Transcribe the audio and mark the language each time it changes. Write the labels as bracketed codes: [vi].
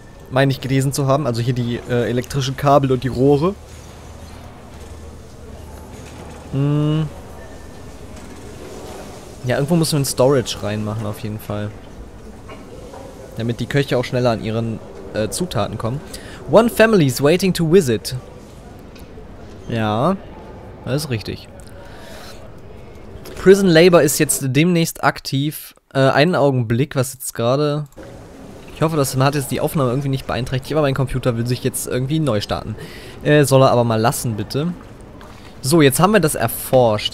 [de] Meine ich gelesen zu haben. Also hier die elektrischen Kabel und die Rohre. Ja, irgendwo müssen wir ein Storage reinmachen auf jeden Fall. Damit die Köche auch schneller an ihren Zutaten kommen. [en] One family is waiting to visit. [de] Ja, das ist richtig. Prison Labor ist jetzt demnächst aktiv. Einen Augenblick, was jetzt gerade... Ich hoffe, das hat jetzt die Aufnahme irgendwie nicht beeinträchtigt, aber mein Computer will sich jetzt irgendwie neu starten. Soll er aber mal lassen, bitte. So, jetzt haben wir das erforscht.